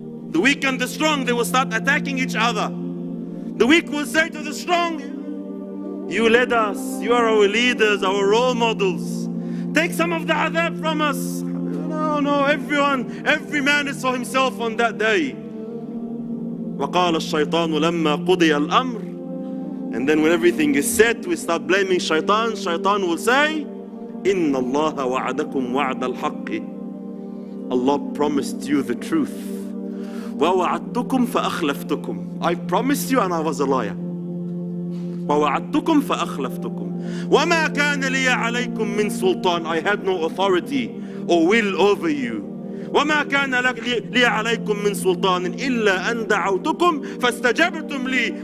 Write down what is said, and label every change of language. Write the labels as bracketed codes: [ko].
[en] The weak and the strong, they will start attacking each other. The weak will say to the strong, you led us, you are our leaders, our role models. Take some of the adab from us. No, no, everyone, every man is for himself on that day. [ar] وَقَالَ الشَّيْطَانُ لَمَّا قُضِيَ الْأَمْرِ [en] And then when everything is set, we start blaming shaitan. Shaitan will say, [ar] إِنَّ اللَّهَ وَعَدَكُمْ وَعْدَ الْحَقِّ. [en] Allah promised you the truth. [ar] وَوَعَدْتُكُمْ فَأَخْلَفْتُكُمْ. [en] I promised you and I was a liar. [ar] وَوَعَدْتُكُمْ فَأَخْلَفْتُكُمْ. وَمَا كَانَ لِيَ عَلَيْكُمْ مِنْ سُلْطَانِ. [en] I had no authority or will over you. [ar] وَمَا كَانَ لِيَ عَلَيْكُمْ مِنْ سُلْطَانٍ إِلَّا أَنْ دَعَوْتُكُمْ فَاسْتَجَبْتُمْ لِي.